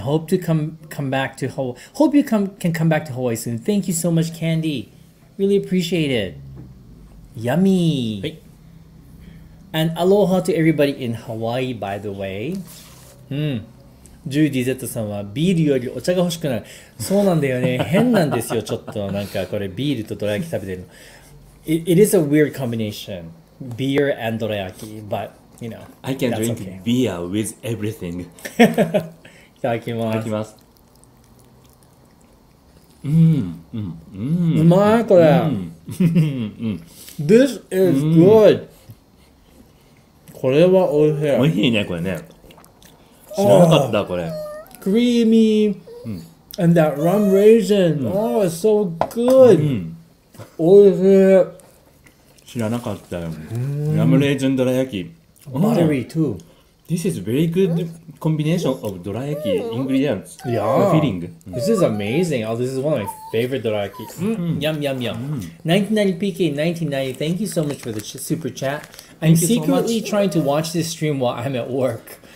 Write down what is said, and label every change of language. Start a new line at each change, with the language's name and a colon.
English: Hope to come back to Hawaii. Hope you can come back to Hawaii soon. Thank you so much, Candy. Really appreciate it. Yummy. And aloha to everybody in Hawaii, by the way.
Japanese: Judy Z-san はビールよりお茶が欲しくなる。そうなんだよね。変なんですよ。ちょっとなんかこれビールとどら焼き食べてるの。
English: It is a weird combination. Beer and どら焼き, but... You know, I can drink beer with everything.
Japanese: いただきます。いただきます。うまいこれ。 This is good. これはおいしい。おいしいねこれね。知らなかったこれ。
English: Creamy and that rum raisin. Oh, it's so good. おいしい。
Japanese: 知らなかったよ。ラムレーズンどら焼き。
English: Buttery too. This is very good combination of dorayaki ingredients. Yeah. Filling. This is amazing. Oh, this is one of my favorite dorayaki. Yum, yum, yum. 1990PK, 1990, thank you so much for the super chat. I'm secretly trying to watch this stream while I'm at work.